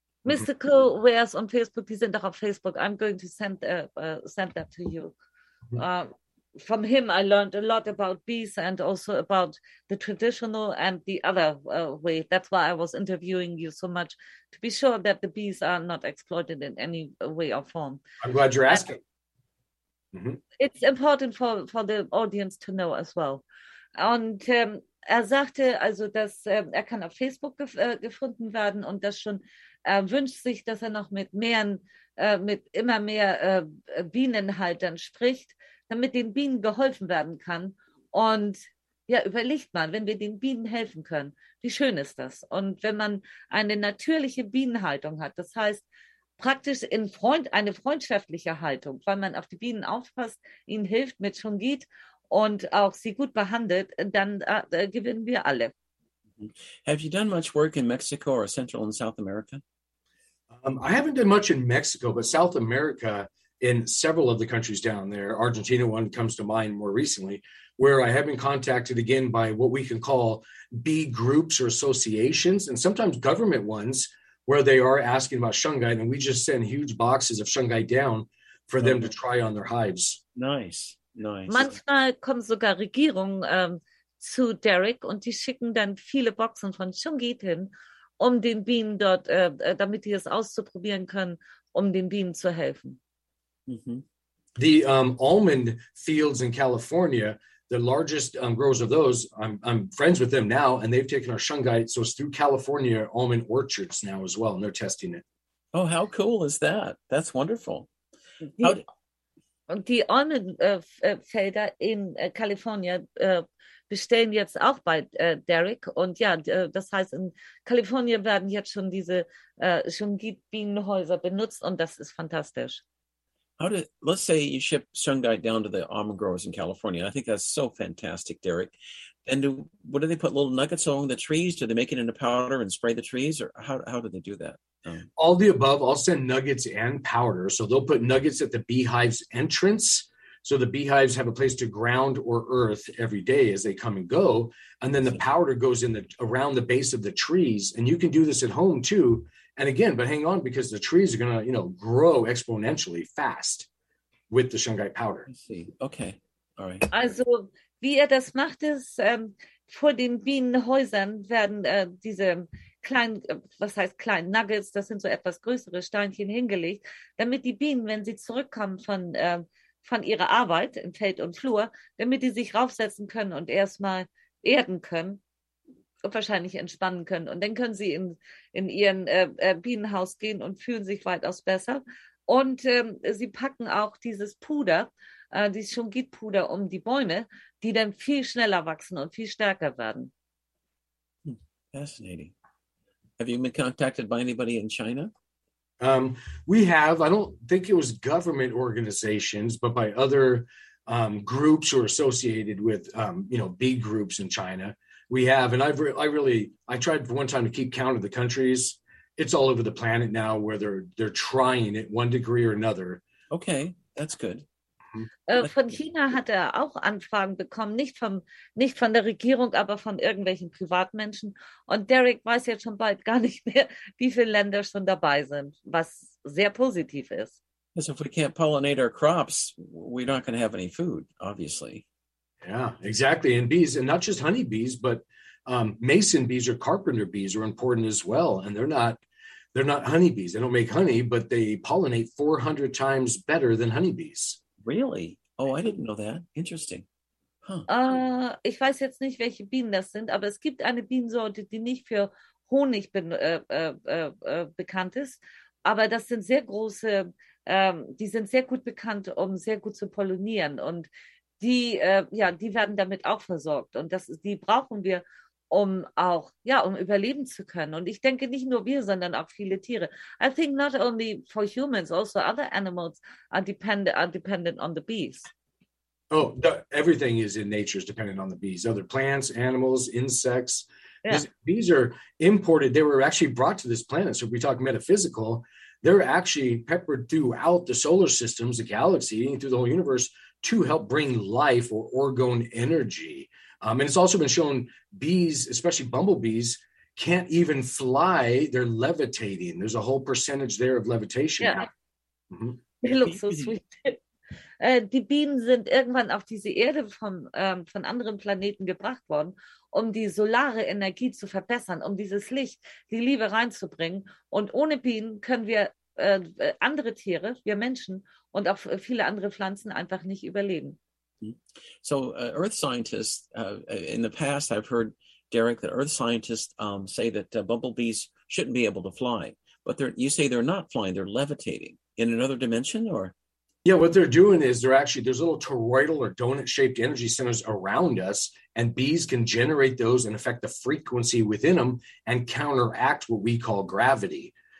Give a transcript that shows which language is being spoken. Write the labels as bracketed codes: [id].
[en] Mystical Wares on Facebook, [de] die sind doch auf Facebook. [en] I'm going to send that to you. From him, I learned a lot about bees and also about the traditional and the other way. That's why I was interviewing you so much, to be sure that the bees are not exploited in any way or form. I'm glad you're asking. It's important for the audience to know as well. [de] Und sagte also, dass kann auf Facebook gefunden werden und das schon. Er wünscht sich, dass er noch mit immer mehr Bienenhaltern spricht, damit den Bienen geholfen werden kann. Und ja, überlegt mal, wenn wir den Bienen helfen können, wie schön ist das? Und wenn man eine natürliche Bienenhaltung hat, das heißt praktisch eine freundschaftliche Haltung, weil man auf die Bienen aufpasst, ihnen hilft mit Shungite und auch sie gut behandelt, dann gewinnen wir alle. [en] Have you done much work in Mexico or Central and South America? I haven't done much in Mexico, but South America, in several of the countries down there, Argentina one comes to mind more recently, where I have been contacted again by what we can call bee groups or associations, and sometimes government ones, where they are asking about Shungite, and we just send huge boxes of Shungite down for them to try on their hives. Nice, nice. [de] Manchmal kommen sogar Regierungen zu Derek und die schicken dann viele Boxen von Shungite hin, um den Bienen dort, damit die es auszuprobieren können, um den Bienen zu helfen. [en] The almond fields in California, the largest growers of those, I'm friends with them now, and they've taken our Shungite, so it's through California almond orchards now as well, and they're testing it. Oh, how cool is that? That's wonderful. [de] Und die Almondfelder in California bestellen jetzt auch bei Derek. Und ja, das heißt, in Kalifornien werden jetzt schon diese Shungite-Bienenhäuser benutzt und das ist fantastisch. [en] let's say you ship shungite down to the almond growers in California. I think that's so fantastic, Derek. And what do they put little nuggets along the trees? Do they make it into powder and spray the trees, or how do they do that? All the above. I'll send nuggets and powder. So they'll put nuggets at the beehive's entrance. So the beehives have a place to ground or earth every day as they come and go. And then the powder goes in the around the base of the trees. And you can do this at home too. And again, but hang on, because the trees are going to, you know, grow exponentially fast with the shungite powder. I see. Okay. All right. [de] Also, wie das macht es, vor den Bienenhäusern werden diese kleinen, was heißt kleinen Nuggets, das sind so etwas größere Steinchen hingelegt, damit die Bienen, wenn sie zurückkommen von ihrer Arbeit im Feld und Flur, damit die sich raufsetzen können und erstmal erden können und wahrscheinlich entspannen können. Und dann können sie in ihren Bienenhaus gehen und fühlen sich weitaus besser. Und sie packen auch dieses Puder, dieses Shungite-Puder um die Bäume, die dann viel schneller wachsen und viel stärker werden. [en] Fascinating. Have you been contacted by anybody in China? We have. I don't think it was government organizations, but by other groups who are associated with, you know, bee groups in China. We have, and I tried one time to keep count of the countries. It's all over the planet now where they're trying it one degree or another. Okay, that's good. [de] Von China hat er auch Anfragen bekommen, nicht von der Regierung, aber von irgendwelchen Privatmenschen. Und Derek weiß jetzt schon bald gar nicht mehr, wie viele Länder schon dabei sind, was sehr positiv ist. [en] Because if we can't pollinate our crops, we're not going to have any food, obviously. Yeah, exactly. And bees, and not just honeybees, but mason bees or carpenter bees are important as well. And they're not honeybees. They don't make honey, but they pollinate 400 times better than honeybees. Really? Oh, I didn't know that. Interesting. Huh. [de] Ich weiß jetzt nicht, welche Bienen das sind, aber es gibt eine Bienensorte, die nicht für Honig bekannt ist. Aber das sind sehr große, die sind sehr gut bekannt, um sehr gut zu pollinieren. Und die, ja, die werden damit auch versorgt. Und das, die brauchen wir, um auch, ja, um überleben zu können. Und ich denke, nicht nur wir, sondern auch viele Tiere. [en] I think not only for humans, also other animals are dependent on the bees. Oh, everything is in nature is dependent on the bees. Other plants, animals, insects. Yeah. Bees are imported. They were actually brought to this planet. So if we talk metaphysical, they're actually peppered throughout the solar systems, the galaxy, through the whole universe, to help bring life or orgone energy. And it's also been shown bees, especially bumblebees, can't even fly. They're levitating. There's a whole percentage there of levitation. Yeah. Mm-hmm. It looks so sweet. [de] Die Bienen sind irgendwann auf diese Erde von anderen Planeten gebracht worden, um die solare Energie zu verbessern, um dieses Licht, die Liebe reinzubringen. Und ohne Bienen können wir andere Tiere, wir Menschen und auch viele andere Pflanzen einfach nicht überleben. [en] So Earth scientists, in the past, I've heard, Derek, that Earth scientists say that bumblebees shouldn't be able to fly. But you say they're not flying, they're levitating. In another dimension, or? Yeah, what they're doing is there's little toroidal or donut-shaped energy centers around us, and bees can generate those and affect the frequency within them and counteract what we call gravity.